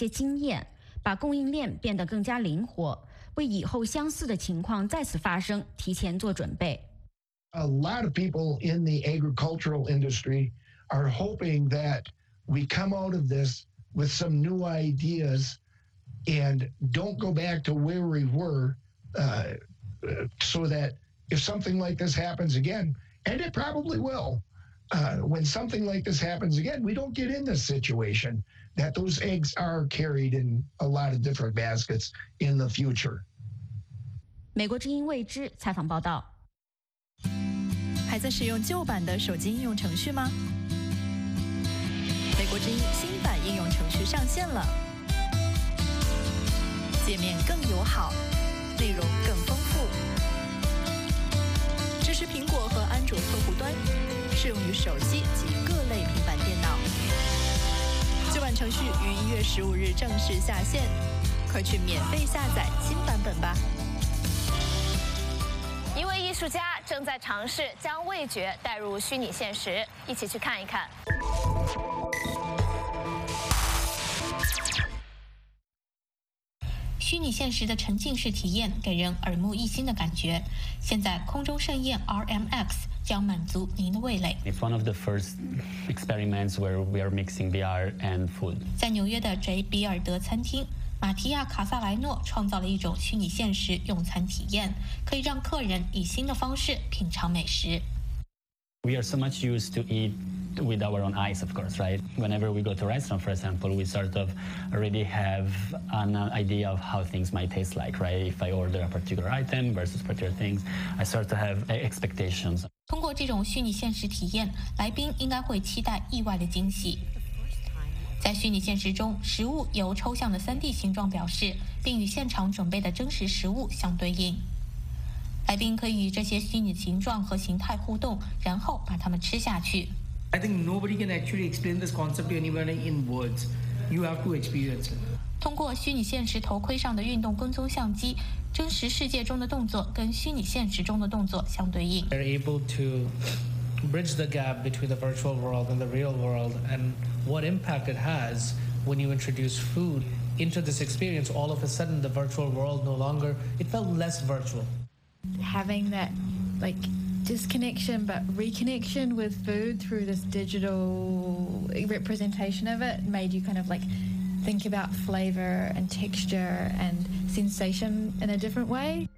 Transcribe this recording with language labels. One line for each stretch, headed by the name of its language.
Chinese: 美国农业部4月17日推出紧急粮食救援计划，为农牧业提供190亿美元的资金。联邦政府对小型企业的贷款项目和薪酬保障计划也能在一定程度上帮助乳制品行业减少经济压力。许多人希望乳制品行业能从这次疫情当中汲取一些经验，把供应链变得更加灵活。
English: A lot of people in the agricultural industry are hoping that we come out of this with some new ideas and don't go back to where we were so that if something like this happens again, and it probably will, when something like this happens again, we don't get in this situation that those eggs are carried in a lot of different baskets in the future.
Chinese: 美国之音未知采访报道。还在使用旧版的手机应用程序吗？美国之音新版应用程序上线了，界面更友好，内容更丰富。是苹果和安卓客户端，适用于手机及各类平板电脑。旧版程序于1月15日正式下线，快去免费下载新版本吧。一位艺术家正在尝试将味觉带入虚拟现实，一起去看一看。虚拟现实的沉浸式体验给人耳目一新的感觉。现在空中盛宴 RMX 将满足您的味蕾。
English: It's one of the first experiments where we are mixing VR and food.
Chinese: 在纽约的 J. 比尔德餐厅，马提亚·卡萨莱诺创造了一种虚拟现实用餐体验，可以让客人以新的方式品尝美食。
English: We are so much used to eat. With our own eyes, of course, right? Whenever we go to a restaurant, for example, we sort of already have an idea of how things might taste like, right? If I order a particular item versus particular things, I sort of have expectations.
Chinese: 通过这种虚拟现实体验，来宾应该会期待意外的惊喜。在虚拟现实中，食物由抽象的 3D 形状表示，并与现场准备的真实食物相对应。来宾可以与这些虚拟形状和形态互动，然后把它们吃下去。
English: I think nobody can actually explain this concept to anybody in words. You have to experience it.
Chinese: 通过虚拟现实头盔上的运动跟踪相机，真实世界中的动作跟虚拟现实中的动作相对应。
English: They're able to bridge the gap between the virtual world and the real world, and what impact it has when you introduce food into this experience. All of a sudden, the virtual world no longer, it felt less virtual. Having that, like,disconnection but reconnection with food through this digital representation of it made you kind of like think about flavor and texture and sensation in a different way.